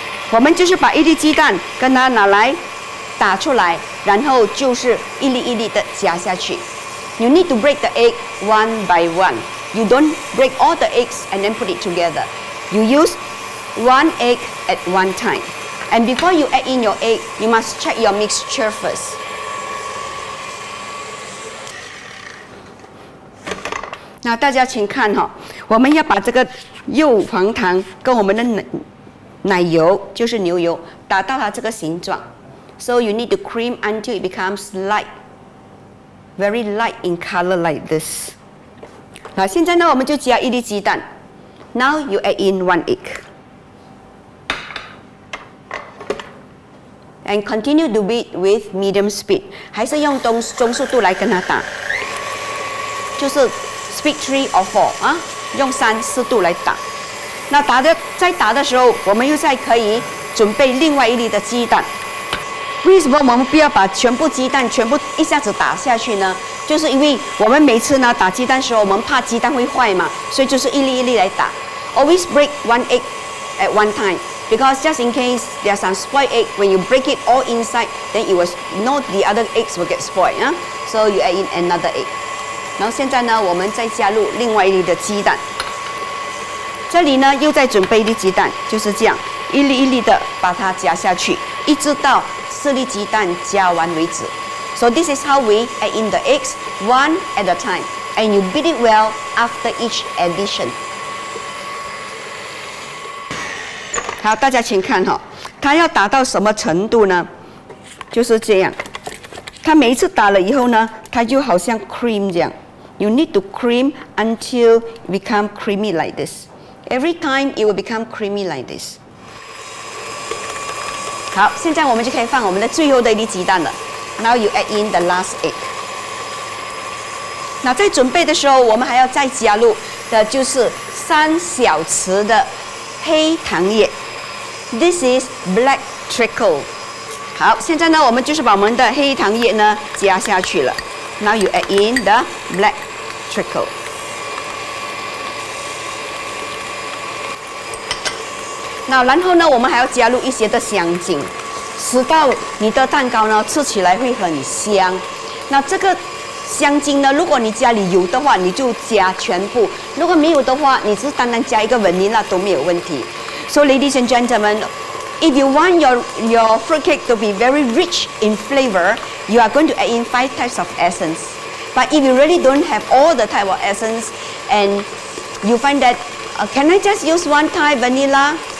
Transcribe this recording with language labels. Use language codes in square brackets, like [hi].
[zh] 我们就是把一粒鸡蛋跟它拿来打出来，然后就是一粒一粒的夹下去。 [en] You need to break the egg one by one. You don't break all the eggs and then put it together. You use one egg at one time. And before you add in your egg, you must check your mixture first. [zh] 那大家请看哈，我们要把这个柚黄糖跟我们的奶油，就是牛油，打到它这个形状。 [en] So you need to cream until it becomes light, very light in color like this. [zh] 那现在呢，我们就加一粒鸡蛋。 [en] Now you add in one egg. And continue to beat with medium speed, [zh] 还是用中速度来跟它打，就是。 [en] Speed 3 or 4 [zh] 啊，用3、4度来打。那打的在打的时候，我们又再可以准备另外一粒的鸡蛋。为什么我们不要把全部鸡蛋全部一下子打下去呢？就是因为我们每次呢打鸡蛋的时候，我们怕鸡蛋会坏嘛，所以就是一粒一粒来打。 [en] Always break one egg at one time, because just in case there's some spoiled egg, when you break it all inside, then it will know the other eggs will get spoiled, huh? So you add in another egg. [zh] 然后现在呢，我们再加入另外一粒的鸡蛋。这里呢，又再准备一粒鸡蛋，就是这样，一粒一粒的把它夹下去，一直到4粒鸡蛋夹完为止。 [en] So this is how we add in the eggs one at a time, and you beat it well after each addition. [zh] 好，大家请看哈，它要打到什么程度呢？就是这样，它每一次打了以后呢。它就好像 [en] cream 这样， you need to cream until it become creamy like this. Every time it will become creamy like this. [zh] 好，现在我们就可以放我们的最后的一粒鸡蛋了。 [en] Now you add in the last egg. [zh] 那在准备的时候，我们还要再加入的就是3小匙的黑糖液。 [en] This is black treacle. [zh] 好，现在呢，我们就是把我们的黑糖液呢加下去了。 [en] Now you add in the black treacle. [zh] 那然后呢，我们还要加入一些的香精。吃到你的蛋糕呢，吃起来会很香。那这个香精呢，如果你家里有的话，你就加全部；如果没有的话，你只单单加一个 vanilla 都没有问题。 [en] So, ladies and gentlemen, if you want your fruit cake to be very rich in flavor, you are going to add in 5 types of essence. But if you really don't have all the type of essence, and you find that, can I just use one type vanilla?